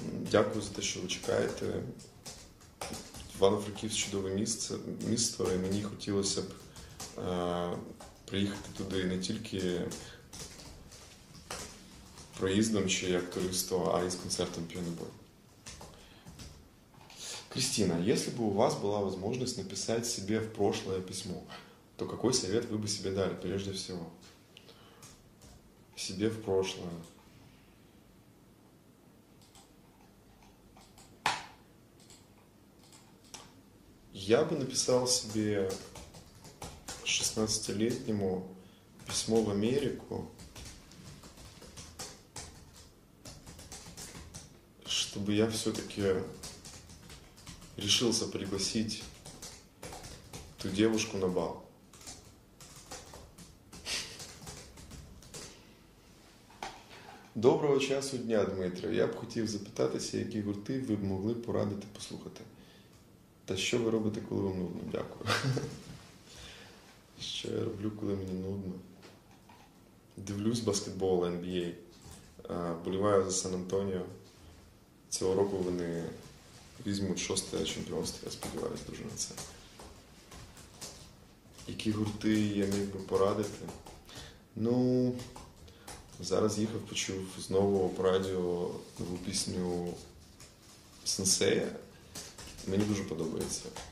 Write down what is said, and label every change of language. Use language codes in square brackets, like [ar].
[uk] Дякую за те, що ви чекаєте. Івано-Франківськ – чудове місто, і мені хотілося б приїхати туди не тільки проїздом чи як туристом, а й з концертом «Піонобой». [ru] Кристина, если бы у вас была возможность написать себе в прошлое письмо, то какой совет вы бы себе дали, прежде всего? Себе в прошлое. Я бы написал себе 16-летнему письмо в Америку, чтобы я все-таки решился пригласить ту девушку на бал. [uk] Доброго часу дня, Дмитро. Я б хотів запитатися, які гурти ви б могли порадити послухати? Та що ви робите, коли вам нудно? Дякую. Що я роблю, коли мені нудно? Дивлюсь баскетбол NBA. Боліваю за Сан-Антоніо. Цього року вони візьмуть 6-те чемпіонство. Я сподіваюся дуже на це. Які гурти я міг би порадити? Ну, зараз їхав, почув знову по радіо нову пісню Сенсея. Мені дуже подобається.